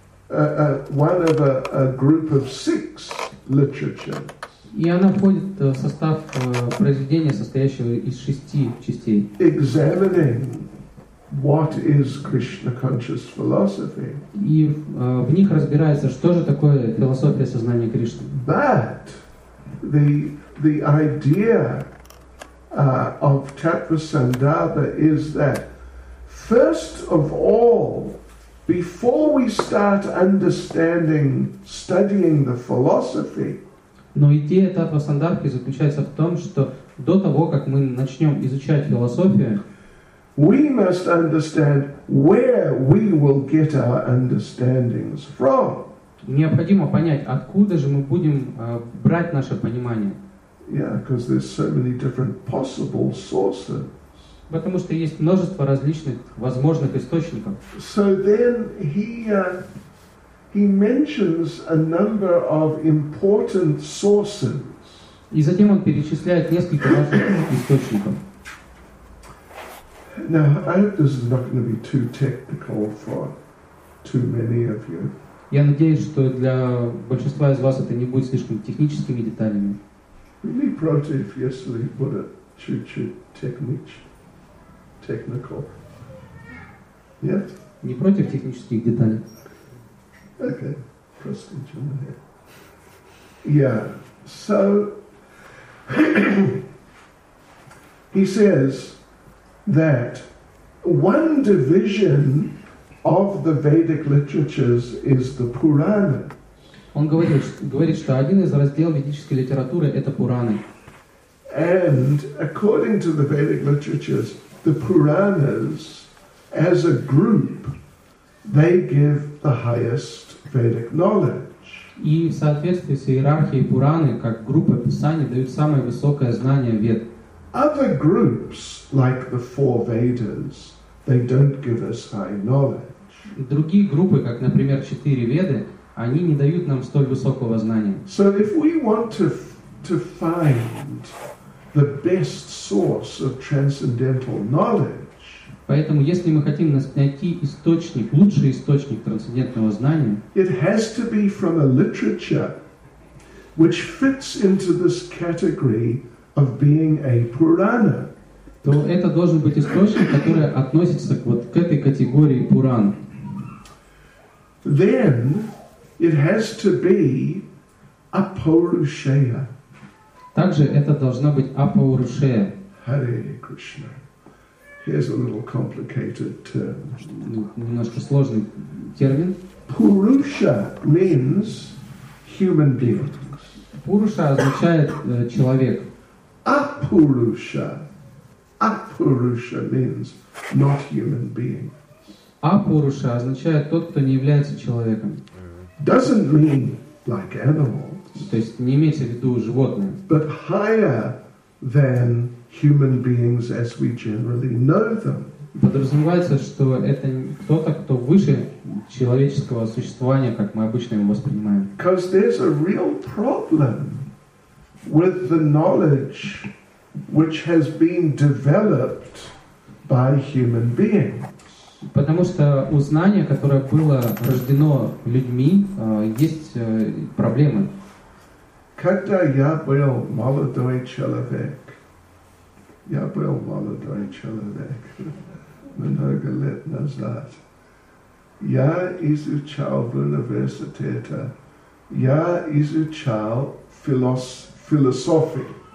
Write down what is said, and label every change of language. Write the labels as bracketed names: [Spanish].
[English] It's one of a group of six literatures. [Russian] И она входит в состав произведения, состоящего из шести частей. [English] Examining what is Krishna conscious philosophy? [Russian] И в них разбирается, что же такое философия сознания Кришны. [English] But the idea of Tattva Sandarbha is that first of all, before we start understanding, studying the philosophy. [Russian] Но идея Tattva Sandarbha заключается в том, что до того, как мы начнем изучать философию, [English] we must understand where we will get our understandings from. [Russian] Необходимо понять, откуда же мы будем брать наше понимание. [English] Yeah, because there's so many different possible sources. [Russian] Потому что есть множество различных возможных источников. [English] So then he mentions a number of important sources. [Russian] И затем он перечисляет несколько важных источников. [English] Now, I hope this is not going to be too technical for too many of you. [Russian] Я надеюсь, что для большинства из вас это не будет слишком техническими деталями. [English] Really, Prote, if yesterday put it [Russian] чуть-чуть [English] technical. Yes? [Russian] Не против технических деталей. [English] Okay. Prote, gentlemen. Yeah. So, he says that one division of the Vedic literatures is the Puranas. [Russian] Он говорит, что один из разделов ведической литературы это Пураны. [English] And according to the Vedic literatures, the Puranas, as a group, they give the highest Vedic knowledge. [Russian] И в соответствии с иерархией Пураны как группа писаний дают самое высокое знание Вед. [English] Other groups, like the four Vedas, they don't give us high knowledge. [Russian] Другие группы, как, например, четыре Веды, они не дают нам столь высокого знания. [English] So if we want to find the best source of transcendental knowledge, [Russian] поэтому, если мы хотим найти источник, лучший источник трансцендентного знания, [English] it has to be from a literature which fits into this category of being a Purana. [Russian] То это должен быть источник, который относится вот к этой категории Пуран. [English] Then it has to be a Purusheya. [Russian] Также это должно быть Апаурше. [English] Hare Krishna. Here's a little complicated term. [Russian] Немножко сложный термин. [English] Purusha means human beings. [Russian] Пуруша означает человек. [English] Apurusha. Apurusha means not human beings. [Russian] Апуруша означает тот, кто не является человеком. [English] Doesn't mean like animals. [Russian] То есть не имеется в виду животное. [English] But higher than human beings as we generally know them. [Russian] Подразумевается, что это кто-то, кто выше человеческого существования, как мы обычно его воспринимаем. [English] Because there's a real problem with the knowledge which has been developed by human beings. [Russian] Потому что у знания, которое было рождено людьми, есть проблемы. Когда я был молодой человек, много лет назад, я изучал в университете, я изучал философию.